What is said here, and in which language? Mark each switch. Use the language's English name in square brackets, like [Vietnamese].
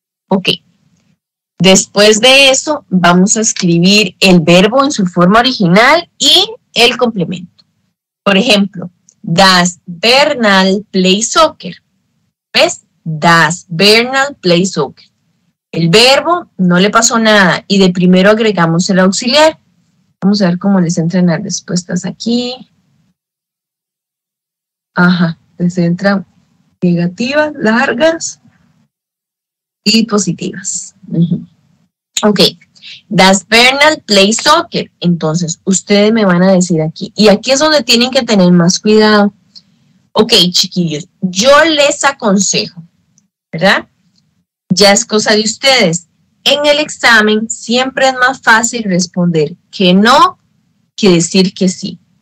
[Spanish] Ok, después de eso vamos a escribir el verbo en su forma original y el complemento. Por ejemplo, [English] does Bernal play soccer? [Spanish] ¿Ves? [English] Does Bernal play soccer? [Spanish] El verbo no le pasó nada y de primero agregamos el auxiliar. Vamos a ver cómo les entran las respuestas aquí. Ajá, les entran negativas, largas y positivas. [English] Ok, does Bernal play soccer? [Spanish] Entonces, ustedes me van a decir aquí, y aquí es donde tienen que tener más cuidado. Ok, chiquillos, yo les aconsejo, ¿verdad? Ya es cosa de ustedes. En el examen siempre es más fácil responder que no que decir que sí.